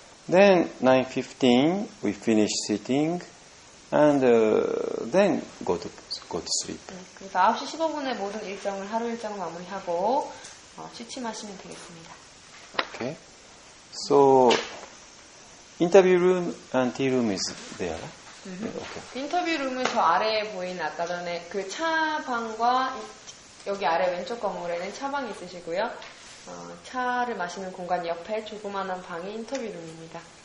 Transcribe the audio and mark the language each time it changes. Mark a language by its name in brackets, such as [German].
[English] Then 9:15 we finish sitting and then go to sleep. [Korean] 그래서 9시 15분에 모든 일정을 하루 일정 마무리하고 취침하시면 되겠습니다. [English] Okay. So interview room and tea room is there. Yeah, okay. [Korean] 인터뷰 룸은 저 아래에 보인 아까 전에 그 차방과 여기 아래 왼쪽 건물에는 차방이 있으시고요. 차를 마시는 공간 옆에 조그만한 방이 인터뷰 룸입니다.